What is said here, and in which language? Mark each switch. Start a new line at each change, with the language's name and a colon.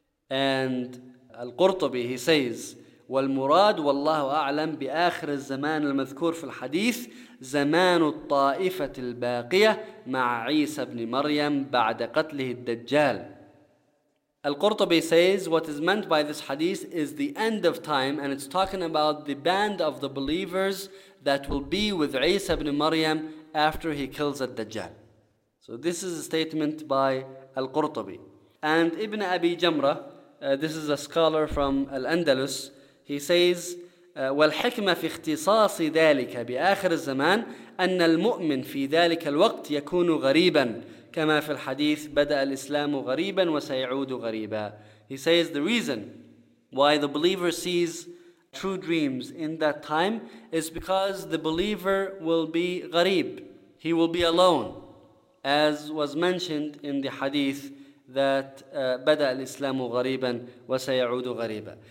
English: And Al-Qurtubi, he says,
Arabic: وَالْمُرَادُ وَاللَّهُ أَعْلَمُ بِآخِرِ الزَّمَانِ الْمَذْكُورِ فِي الْحَدِيثِ زَمَانُ الطَّائِفَةِ الْبَاقِيَةِ مَعَ عِيسَى بْنِ مَرْيَمْ بَعْدَ قَتْلِهِ الدَّجَّالِ
English: Al-Qurtubi says, what is meant by this hadith is the end of time, and it's talking about the band of the believers that will be with Isa ibn Maryam after he kills al-Dajjal. So this is a statement by Al-Qurtubi. And Ibn Abi Jamrah, this is a scholar from Al-Andalus, he says,
Arabic: وَالْحِكْمَةِ فِي اخْتِصَاصِ ذَلِكَ بِآخِرِ الزَّمَانِ أَنَّ الْمُؤْمِنِ فِي ذَلِكَ الْوَقْتِ يَكُونُ غَرِيبًا كَمَا فِي الْحَدِيثِ بَدَأَ الْإِسْلَامُ غَرِيبًا وَسَيَعُودُ غَرِيبًا.
English: He says the reason why the believer sees true dreams in that time is because the believer will be غريب. He will be alone. As was mentioned in the hadith that
Arabic: بَدَأَ الْإِسْلَامُ غَرِيبًا وَسَيَعُودُ غَرِيبًا.